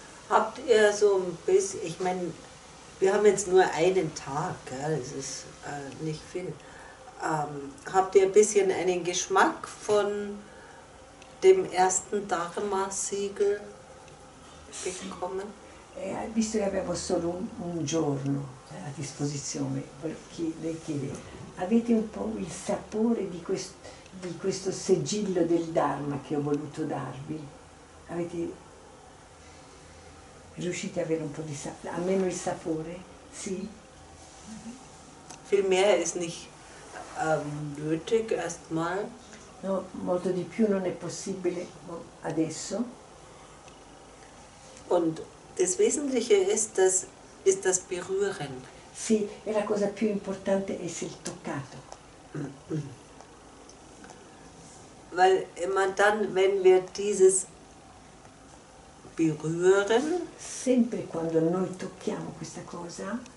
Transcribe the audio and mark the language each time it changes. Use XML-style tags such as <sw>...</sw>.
<de>Habt ihr so ein bisschen, ich meine, wir haben jetzt nur einen Tag, gell? Das ist nicht viel. Habt ihr ein bisschen einen Geschmack von dem ersten Dharma-Siegel bekommen?</de> <it>Visto che avevo solo un giorno a disposizione, le chiedo, avete un po' il sapore di questo sigillo del Dharma che ho voluto darvi? Avete riuscite a avere un po' di sapore, almeno il sapore? Sì.</it> <de>Viel mehr ist nicht nötig erstmal.</de> <it>No, molto di più non è possibile adesso.</it> <de>Und das Wesentliche ist das Berühren.</de> <it>Sì, e la cosa più importante è il toccato.</it> <de>Weil immer dann, wenn wir dieses berühren,</de> <it>sempre quando noi tocchiamo questa cosa,</it>